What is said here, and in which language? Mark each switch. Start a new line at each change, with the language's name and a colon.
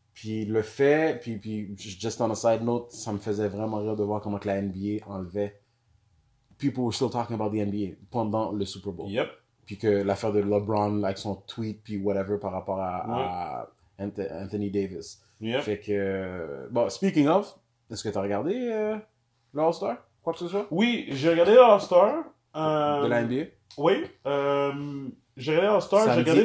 French: Puis le fait, puis
English: just on a side note,
French: ça me faisait vraiment rire de voir comment que la NBA enlevait.
English: People were still talking about the NBA
French: pendant le Super Bowl. Yep. Puis que l'affaire de LeBron, like son tweet, puis whatever, par rapport à Anthony Davis. Yep. Fait que, bon,
English: speaking of,
French: est-ce que t'as regardé le All-Star? Quoi que ce soit? Oui, j'ai regardé le All-Star. De la NBA? Oui, j'ai regardé All-Star, j'ai regardé